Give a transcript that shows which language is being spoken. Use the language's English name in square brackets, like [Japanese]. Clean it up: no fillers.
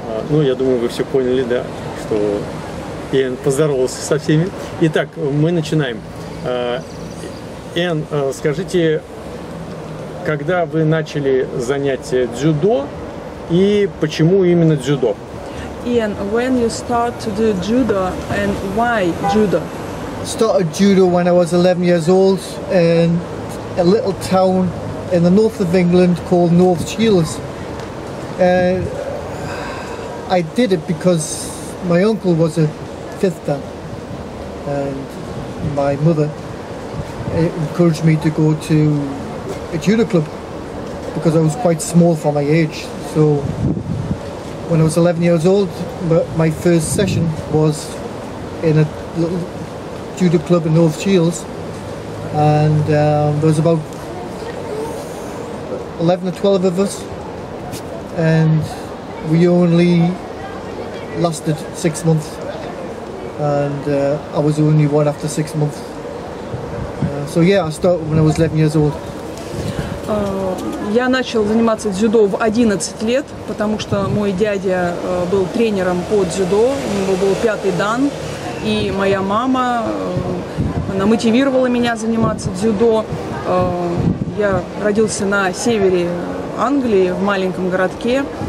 [Russian] Ну, я думаю, вы все поняли, да, что Иэн поздоровался со всеми. Итак, мы начинаем. Иэн, скажите, когда вы начали занятие дзюдо и почему именно дзюдо? [English] Иэн, when you start to do judo and why judo? Started judo when I was 11 years old and a little town in the north of England called North Shields. I did it because my uncle was a fifth dan and my mother encouraged me to go to a judo club because I was quite small for my age. So when I was 11 years old, my first session was in a little judo club in North Shields. And there was about 11 or 12 of us, and we only lasted 6 months, and I was only one after 6 months. So yeah, I started when I was 11 years old. [Russian] Я начал заниматься дзюдо в 11 лет, потому что мой дядя был тренером по дзюдо, у него был пятый дан, и моя мама она мотивировала меня заниматься дзюдо. Я родился на севере Англии, в маленьком городке.